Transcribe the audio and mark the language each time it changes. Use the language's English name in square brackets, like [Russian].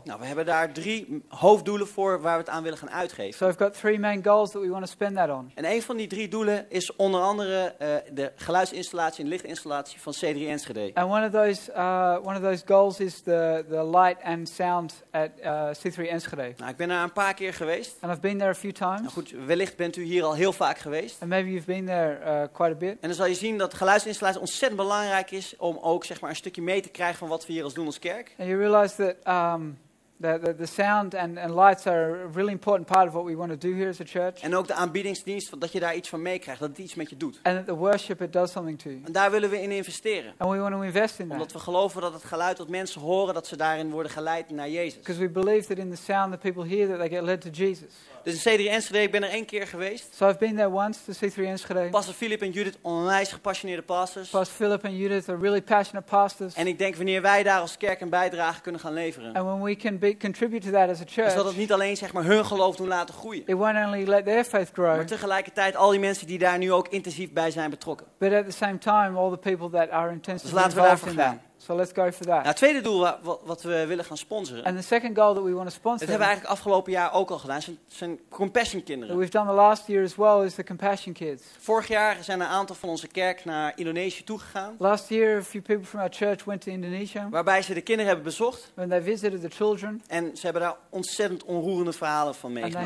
[Dutch] Nou, we hebben daar 3 hoofddoelen voor waar we het aan willen gaan uitgeven. [English] So we've got 3 main goals that we want to spend that on. [Dutch] En één van die 3 doelen is onder andere de geluidsinstallatie en lichtinstallatie van C3 Enschede. [English] And one of those goals is the light and sound at C3 Enschede. [Dutch] Nou, ik ben daar een paar keer geweest. [English] And I've been there a few times. [Dutch] Nou, goed, wellicht bent u hier al heel vaak geweest. [English] And maybe you've been there quite a bit. [Dutch] En dan zal je zien dat geluidsinstallatie ontzettend belangrijk is om ook zeg maar een stukje mee te krijgen van wat we hier als doen als kerk. [English] And you realize that The sound and lights are a really important part of what we want to do here as a church. [Dutch] En ook de aanbiedingsdienst, dat je daar iets van meekrijgt, dat het iets met je doet. [English] And the worship, it does something to you. [Dutch] En daar willen we in investeren. [English] And we want to invest in that. [Dutch] Omdat we geloven dat het geluid dat mensen horen, dat ze daarin worden geleid naar Jezus. [English] Because we believe that in the sound that people hear, that they get led to Jesus. [Dutch] Dus in C3 Enschede, ik ben er 1 keer geweest. [English] So I've been there once, to C3 Enschede. [Dutch] Pastor Philip en Judith, onwijs gepassioneerde pastors. [English] Pastor Philip and Judith are really passionate pastors. [Dutch] En ik denk wanneer wij daar als kerk een bijdrage kunnen gaan leveren. [English] And when we can contribute to that as a church. [Dutch] Dus dat het niet alleen zeg maar hun geloof doen laten groeien. [English] It won't only let their faith grow. [Dutch] Maar tegelijkertijd al die mensen die daar nu ook intensief bij zijn betrokken. [English] But at the same time all the people that are intensely involved. [Dutch] Dus laten we daarvoor gaan. [English] So let's go for that. [Dutch] Nou, het tweede doel wat we willen gaan sponsoren. [English] And the second goal that we want to sponsor. [Dutch] Dat hebben we eigenlijk afgelopen jaar ook al gedaan. Zijn Compassion Kinderen. [English] We've done the last year as well is the Compassion Kids. [Dutch] Vorig jaar zijn een aantal van onze kerk naar Indonesië toegegaan. [English] Last year a few people from our church went to Indonesia. [Dutch] Waarbij ze de kinderen hebben bezocht. [English] When they visited the children. [Dutch] En ze hebben daar ontzettend onroerende verhalen van meegenomen.